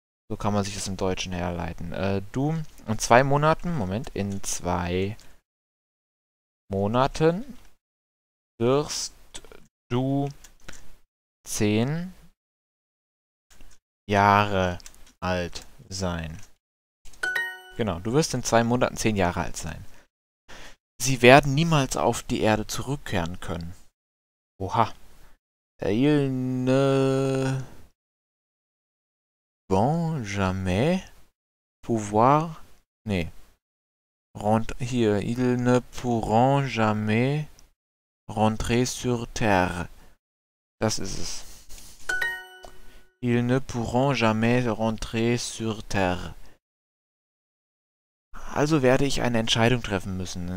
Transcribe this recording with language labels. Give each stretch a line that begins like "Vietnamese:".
German: So kann man sich das im Deutschen herleiten. Du in 2 Monaten, Moment, in 2 Monaten wirst du 10 Jahre alt sein. Genau, du wirst in 2 Monaten 10 Jahre alt sein. Sie werden niemals auf die Erde zurückkehren können. Oha.
French: Ils ne vont jamais pouvoir.
German: Nee. Hier.
French: Ils ne pourront jamais rentrer sur Terre.
German: Das ist es.
French: Ils ne pourront jamais rentrer sur Terre.
German: Also werde ich eine Entscheidung treffen müssen.